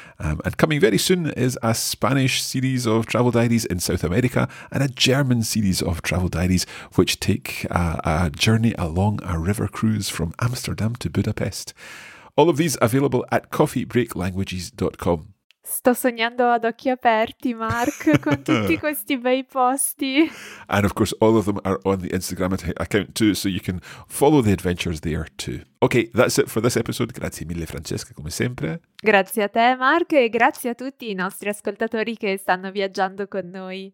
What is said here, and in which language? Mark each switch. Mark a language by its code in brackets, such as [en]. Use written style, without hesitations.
[en] And coming very soon is a Spanish series of travel diaries in South America and a German series of travel diaries, which take a journey along a river cruise from Amsterdam to Budapest. All of these available at coffeebreaklanguages.com. [it] Sto sognando ad occhi aperti, Mark, con tutti questi bei posti. [en] And of course, all of them are on the Instagram account too, so you can follow the adventures there too. Okay, that's it for this episode. [it] Grazie mille, Francesca, come sempre. Grazie a te, Mark, e grazie a tutti i nostri ascoltatori che stanno viaggiando con noi.